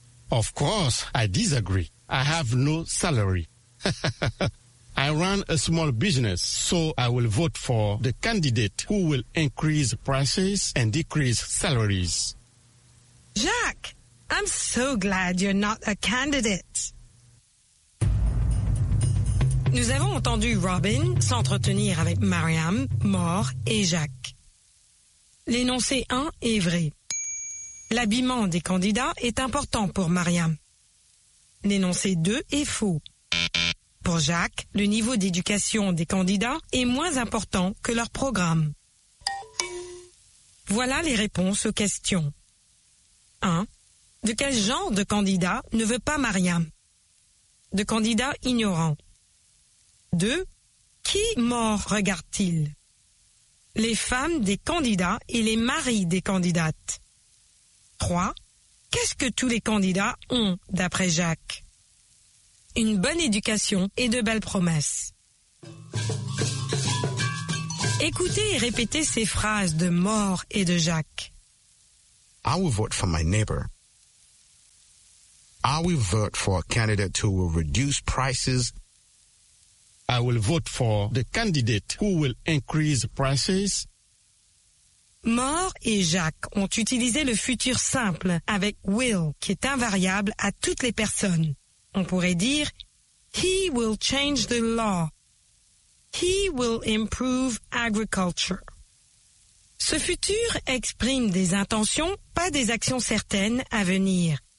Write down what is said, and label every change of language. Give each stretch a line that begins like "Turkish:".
English: Of course, I disagree. I have no salary. I run a small business, so I will vote for the candidate who will increase prices and decrease salaries. Jacques, I'm so glad you're not a candidate.
French: Nous avons entendu Robin s'entretenir avec Mariam, Maure et Jacques. L'énoncé 1 est vrai. L'habillement des candidats est important pour Mariam. L'énoncé 2 est faux. Pour Jacques, le niveau d'éducation des candidats est moins important que leur programme. Voilà les réponses aux questions. 1. De quel genre de candidat ne veut pas Mariam? De candidat ignorant. 2. Qui mort regarde-t-il? Les femmes des candidats et les maris des candidates. 3. Qu'est-ce que tous les candidats ont, d'après Jacques? Une bonne éducation et de belles promesses. Écoutez et répétez ces phrases de Maure et de Jacques.
English: I will vote for my neighbor. I will vote for a candidate who will reduce prices. I will vote for the candidate who will increase prices.
French: Mort et Jacques ont utilisé le futur simple avec will, qui est invariable à toutes les personnes. On pourrait dire «
English: He will change the law. He will improve agriculture.
French: » Ce futur exprime des intentions, pas des actions certaines à venir.